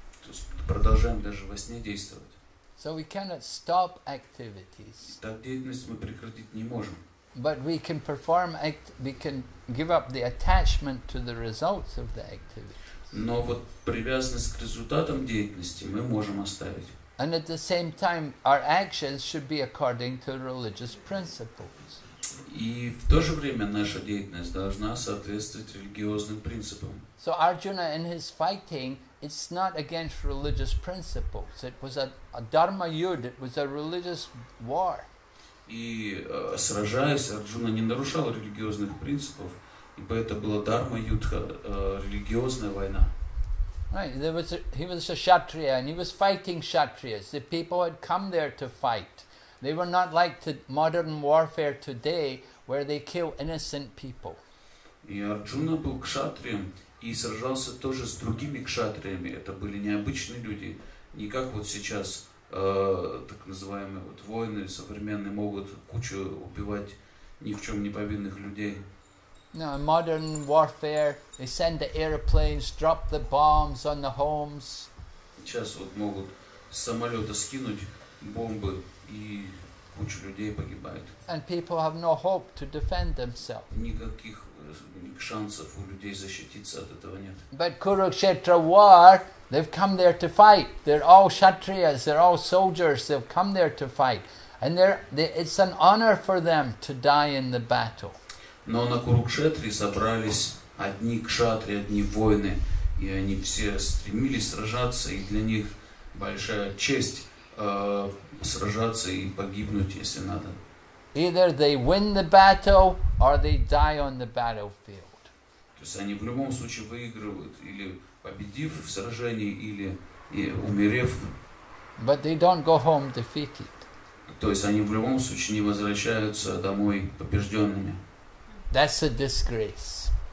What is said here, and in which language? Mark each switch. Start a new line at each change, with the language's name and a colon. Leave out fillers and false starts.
Russian: То есть продолжаем даже во сне действовать.
English: So we cannot stop activities.
Russian: Так деятельность мы прекратить не можем.
English: But we can perform we can give up the attachment to the results of the activity.
Russian: Но вот привязанность к результатам деятельности мы можем оставить.
English: And at the same time, our actions should be according to religious principles.
Russian: И в то же время наша деятельность должна соответствовать религиозным принципам.
English: So Arjuna in his fighting, it's not against religious principles. It was a dharma yud, it was a religious war.
Russian: И сражаясь, Арджуна не нарушал религиозных принципов, ибо это была дхарма юдха, религиозная война.
English: Right, there was he was a kshatriya and he was fighting kshatriyas. The people had come there to fight. They were not like the modern warfare today, where they kill innocent people.
Russian: И Арджуна был кшатрием и сражался тоже с другими кшатриями. Это были необычные люди, не как вот сейчас так называемые вот воины современные могут кучу убивать ни в чем не повинных людей.
English: Now, in modern warfare, they send the airplanes, drop the bombs on the homes.
Russian: Сейчас вот могут с самолета скинуть бомбы, и куча людей погибает.
English: And people have no hope to defend themselves.
Russian: Никаких шансов у людей защититься от этого нет.
English: But Kurukshetra war, they've come there to fight. They're all kshatriyas, they're all soldiers, they've come there to fight. And it's an honor for them to die in the battle.
Russian: Но на Курукшетре собрались одни кшатри, одни воины, и они все стремились сражаться, и для них большая честь сражаться и погибнуть, если надо.
English: Either they win the battle, or they die on the battlefield.
Russian: То есть они в любом случае выигрывают, или победив в сражении, или умерев.
English: But they don't go home defeated.
Russian: То есть они в любом случае не возвращаются домой побежденными.
English: That's a disgrace.